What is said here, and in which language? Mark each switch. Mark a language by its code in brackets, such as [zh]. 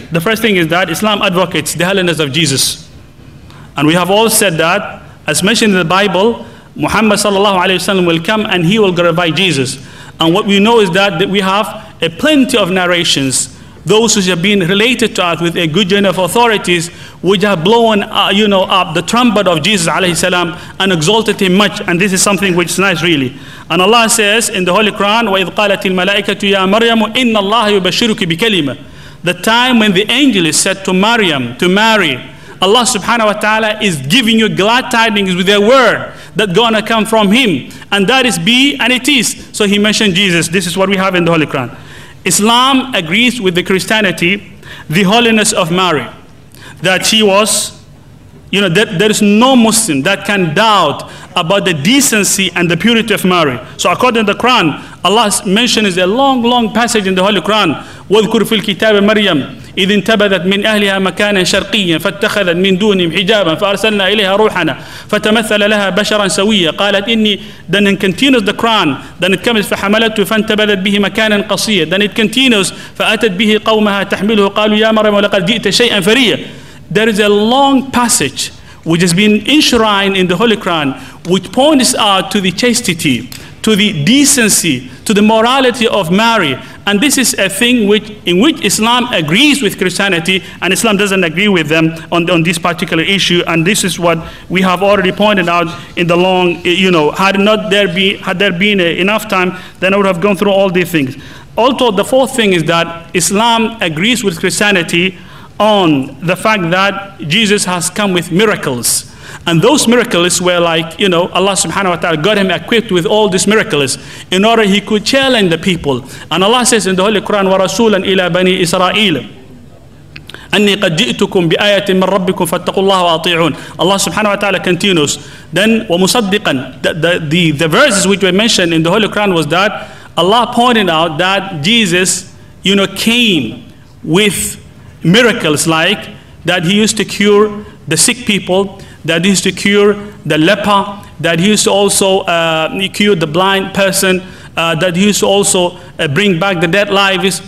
[en] The first thing is that Islam advocates the holiness of Jesus. And we have all said that, as mentioned in the Bible, Muhammad sallallahu alayhi wa sallam will come and he will glorify Jesus. And what we know is that we have a plenty of narrations, those which have been related to us with a good journey of authorities, which have blown up the trumpet of Jesus alayhi salam and exalted him much. And this is something which is nice, really. And Allah says in the Holy Quran, [ar] وَإِذْ قَالَتِ الْمَلَائِكَةُ يَا مَرْيَمُ إِنَّ اللَّهَ يُبَشِّرُكِ بِكَلِمَةٍ. [en] The time when the angels said to Maryam, to Mary, Allah subhanahu wa ta'ala is giving you glad tidings with their word that gonna come from him. And that is be, and it is. So he mentioned Jesus. This is what we have in the Holy Quran. Islam agrees with the Christianity, the holiness of Mary, that she was, there is no Muslim that can doubt about the decency and the purity of Mary. So according to the Quran, Allah mentions a long, long passage in the Holy Quran, [ar] وَذْكُرْ فِي الْكِتَابِ مَرْيَمْ إِذْ انْتَبَذَتْ مِنْ أَهْلِهَا مَكَانًا شَرْقِيًّا فَاتَّخَذَتْ مِنْ دُونِهِمْ حِجَابًا فَأَرْسَلْنَا إِلَيْهَا رُوحَنَا فَتَمَثَّلَ لَهَا بَشَرًا سَوِيًّا قَالَتْ إِنِّي. [en] Then it continues the Quran. Then it comes, [ar] فَحَمَلَتْهُ فَانْتَبَذَتْ بِهِ مَكَانًا قَصِيًّا. [en] Then it continues, [ar] فَأَتَتْ بِهِ قَوْمَهَا تَحْمِلُهُ قَالُوا يَا مَرْيَمُ لَقَدْ جِئْتَ شَيْئًا فَرِيًّا. [en] There is a long passage which has been enshrined in the Holy Quran, which points out to the chastity, to the decency, to the morality of Mary. And this is a thing in which Islam agrees with Christianity, and Islam doesn't agree with them on this particular issue. And this is what we have already pointed out in the long, had there been enough time, then I would have gone through all these things. Also, the fourth thing is that Islam agrees with Christianity on the fact that Jesus has come with miracles. And those miracles were like, you know, Allah subhanahu wa ta'ala got him equipped with all these miracles in order he could challenge the people. And Allah says in the Holy Quran, [ar] وَرَسُولًا إِلَىٰ بَنِي إِسْرَائِيلَ أَنِّي قَدْ جِئْتُكُمْ بِآيَةٍ مِّن رَبِّكُمْ فَاتَّقُوا اللَّهَ وَأَطِيعُونَ. [en] Allah subhanahu wa ta'ala continues, then وَمُصَدِّقًا, the verses which were mentioned in the Holy Quran was that Allah pointed out that Jesus, you know, came with miracles, like that he used to cure the sick people, that he used to cure the leper, that he used to also cure the blind person, that he used to also bring back the dead lives.